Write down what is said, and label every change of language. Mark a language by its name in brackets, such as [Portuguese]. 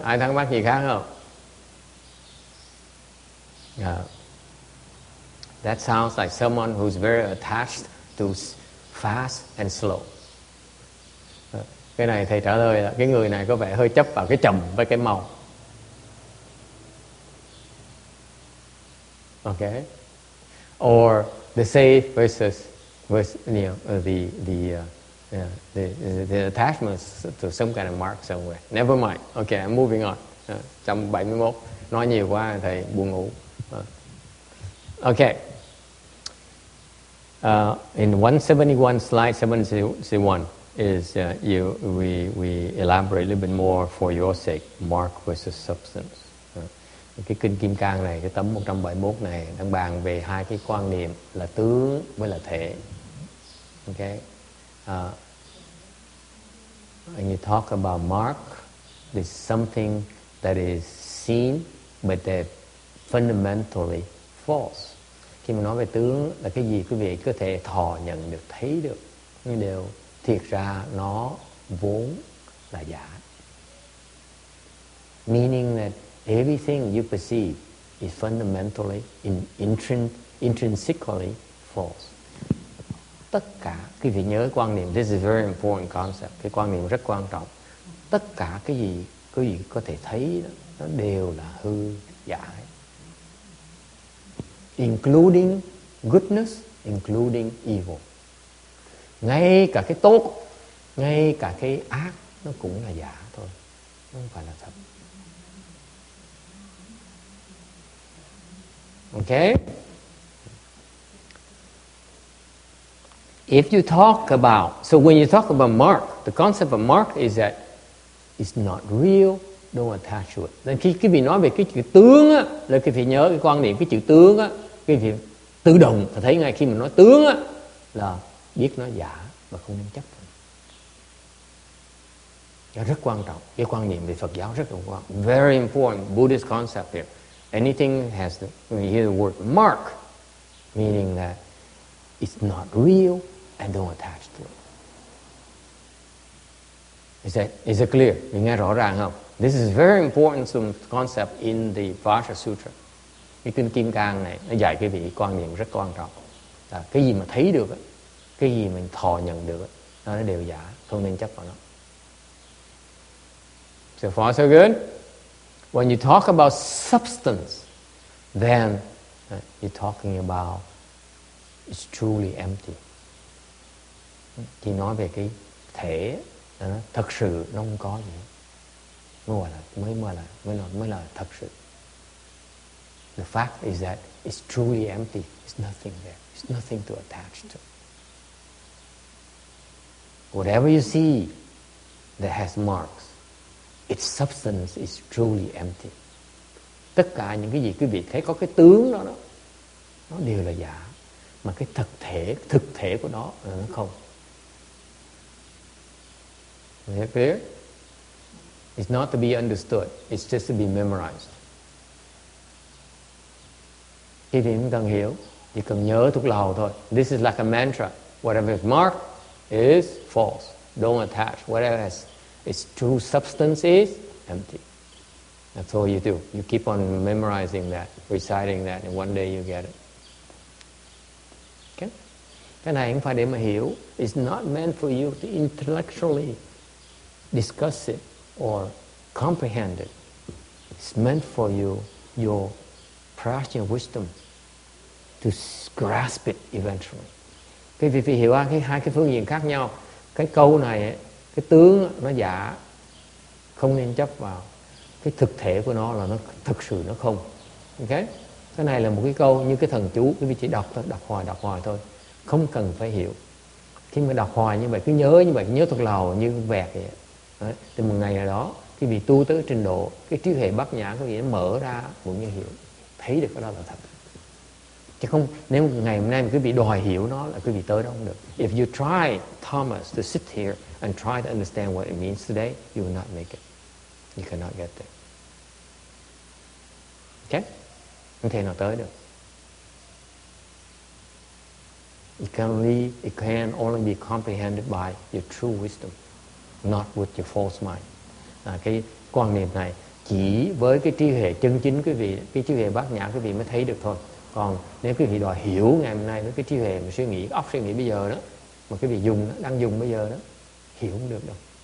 [Vietnamese] Ai thắc mắc gì khác không? [English] That sounds like someone who's very attached to fast and slow. [Vietnamese] Cái này thầy trả lời là cái người này có vẻ hơi chấp vào cái chậm với cái mau. [English] Okay. Or the safe versus the attachments to some kind of mark somewhere. Never mind. Okay, I'm moving on. 171. [Vietnamese] Nói nhiều quá thầy buồn ngủ. Okay. [English] In 171, slide 71, is we elaborate a little bit more for your sake, mark versus substance. [Vietnamese] Cái kinh Kim Cang này, cái tấm 171 này đang bàn về hai cái quan niệm là tướng với là thể. [English] Okay. And you talk about mark, it's something that is seen but that fundamentally false. [Vietnamese] Khi mà nói về tướng là cái gì quý vị có thể thọ nhận được, thấy được, nhưng đều thiệt ra nó vốn là giả. [English] Meaning that everything you perceive is fundamentally, intrinsically false. [Vietnamese] Tất cả, quý vị nhớ quan niệm, [English] this is a very important concept, [Vietnamese] cái quan niệm rất quan trọng. Tất cả cái gì quý vị có thể thấy, đó, nó đều là hư, giả. [English] Including goodness, including evil. [Vietnamese] Ngay cả cái tốt, ngay cả cái ác, nó cũng là giả thôi, không phải là thật. [English] Okay? If you talk about, so when you talk about mark, the concept of mark is that it's not real, don't attach to it. [Vietnamese] Nên khi quý vị nói về cái chữ tướng á, là quý vị nhớ cái quan niệm cái chữ tướng á, quý vị tự động thấy ngay khi mình nói tướng á, là biết nó giả và không nên chấp. Nó rất quan trọng, cái quan niệm về Phật giáo rất là quan trọng. [English] Very important Buddhist concept here. Anything has the, when you hear the word mark, meaning that it's not real and don't attach to it. Is it clear? [Vietnamese] Mình nghe rõ ràng không? [English] This is very important concept in the Vajra Sutra. [Vietnamese] Cái kinh Kim Cang này nó dạy quý vị quan niệm rất quan trọng. À, cái gì mà thấy được, cái gì mình thọ nhận được, nó đều giả, không nên chấp vào nó. [English] So far so good? When you talk about substance, then you're talking about it's truly empty. [Vietnamese] Khi nói về cái thể, thật sự nó không có gì. Mới là thật sự. [English] The fact is that it's truly empty. It's nothing there. It's nothing to attach to. Whatever you see that has marks, its substance is truly empty. [Vietnamese] Tất cả những cái gì quý vị thấy có cái tướng đó, đó nó đều là giả. Mà cái thực thể của nó là nó không. [English] Is that clear? It's not to be understood. It's just to be memorized. [Vietnamese] Khi thì không cần hiểu, chỉ cần nhớ thuộc lầu thôi. [English] This is like a mantra. Whatever is marked is false. Don't attach. Whatever has its true substance is empty. That's all you do. You keep on memorizing that, reciting that, and one day you get it. Okay? [Vietnamese] Cái này không phải để mà hiểu. [English] It's not meant for you to intellectually discuss it or comprehend it. It's meant for you, your prajna wisdom, to grasp it eventually. [Vietnamese] Cái vị phải hiểu hai cái phương diện khác nhau. Cái câu này, cái tướng nó giả, không nên chấp vào. Cái thực thể của nó là nó thực sự nó không. Okay? Cái này là một cái câu như cái thần chú, cái vị chỉ đọc thôi, đọc hoài thôi. Không cần phải hiểu. Khi mà đọc hoài như vậy, cứ nhớ như vậy, nhớ thuộc lầu như vẹt vậy. Đấy. Từ một ngày nào đó, khi bị tu tới trình độ, cái trí huệ bát nhã có nghĩa mở ra, cũng như hiểu, thấy được cái đó là thật. Chứ không, nếu ngày hôm nay mà cứ bị đòi hiểu nó là cứ bị tới đó không được. [English] If you try, Thomas, to sit here and try to understand what it means today, you will not make it. You cannot get there. [Vietnamese] Okay? Không thể nào tới được. [English] It can only be comprehended by your true wisdom, not with your false mind. [Vietnamese] À, cái quan niệm này chỉ với cái trí huệ chân chính quý vị, cái trí huệ bát nhã quý vị mới thấy được thôi. Còn nếu quý vị đòi hiểu ngày hôm nay với cái trí huệ mà suy nghĩ, óc suy nghĩ bây giờ đó, mà quý vị dùng đó, đang dùng bây giờ đó, hiểu không được đâu.